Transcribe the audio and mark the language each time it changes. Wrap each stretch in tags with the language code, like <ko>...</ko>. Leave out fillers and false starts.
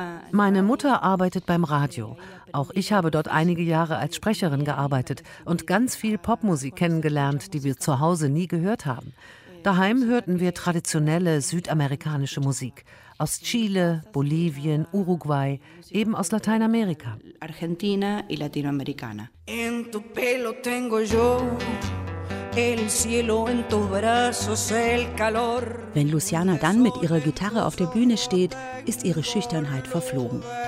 <de>Meine Mutter arbeitet beim Radio. Auch ich habe dort einige Jahre als Sprecherin gearbeitet und ganz viel Popmusik kennengelernt, die wir zu Hause nie gehört haben. Daheim hörten wir traditionelle südamerikanische Musik aus Chile, Bolivien, Uruguay, eben aus Lateinamerika.</de> <es>Argentina y Latinoamericana. En tu pelo tengo yo. El cielo en tus brazos, el calor.</es> <de>Wenn Luciana dann mit ihrer Gitarre auf der Bühne steht, ist ihre Schüchternheit verflogen.</de>